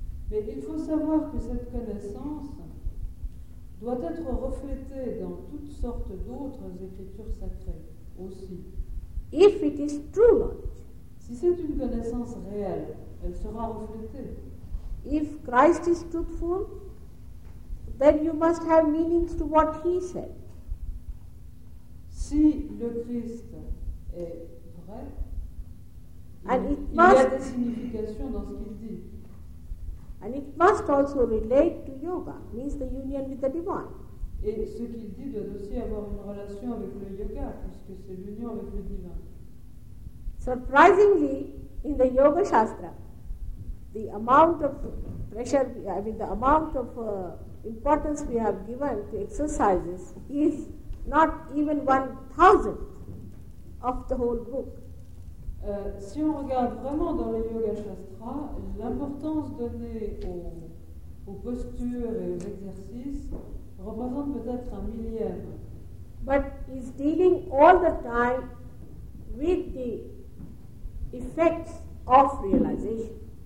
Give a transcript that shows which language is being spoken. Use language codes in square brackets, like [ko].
[fr] Mais il faut savoir que cette connaissance doit être reflétée dans toutes sortes d'autres écritures sacrées aussi. [en] If it is true knowledge, [fr] si c'est une connaissance réelle, elle sera reflétée. [en] If Christ is truthful, then you must have meanings to what he said. [fr] Si le Christ est vrai, [en] and [fr] il y a des significations dans ce qu'il dit. [en] And it must also relate to yoga, means the union with the divine. [fr] Et ce qu'il dit doit aussi avoir une relation avec le yoga, puisque c'est l'union avec le divin. [en] Surprisingly, in the yoga shastra, the amount of pressure, I mean the amount of importance we have given to exercises is not even 1/1000 of the whole book. [fr] Si on regarde vraiment dans le yoga shastra, l'importance donnée aux postures et aux exercices représente peut-être 1/1000. [en] But is dealing all the time with the effects of realization.